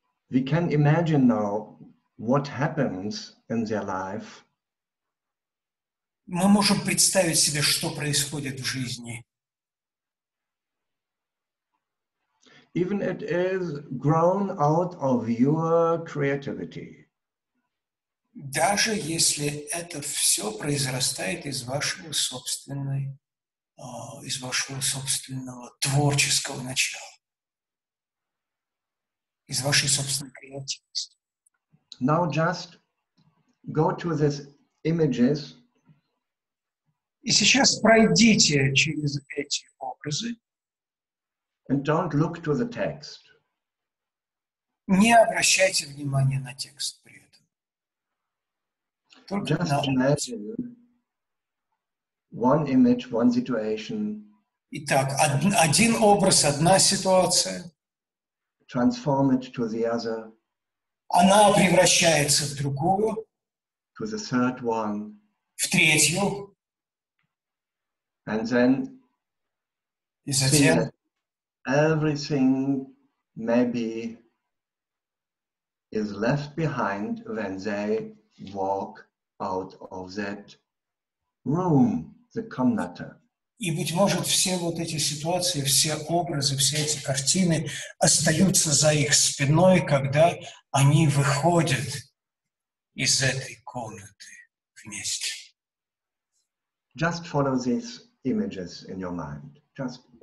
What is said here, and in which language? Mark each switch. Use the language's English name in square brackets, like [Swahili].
[English] We can imagine now what happens in their life. [Russian] Мы можем представить себе, что происходит в жизни. [English] Even it is grown out of your creativity. [Russian] Даже если это все произрастает из вашего собственной из вашего собственного творческого начала, из вашей собственной креативности. [English] Now just go to these images. [Russian] И сейчас пройдите через эти образы. [English] And don't look to the text. [Russian] Не обращайте внимания на текст при этом. Только [English] just [Russian] на... [English] imagine one image, one situation. [Russian] Итак, один образ, одна ситуация. [English] Transform it to the other. [Russian] Она превращается в другую. [English] To the third one. [Russian] В третью. [English] And then everything maybe is left behind when they walk out of that room, the комната. [Russian] И, быть может, все вот эти ситуации, все образы, все эти картины остаются за их спиной, когда они выходят из этой комнаты вместе. [English] Just follow these images in your mind. Just.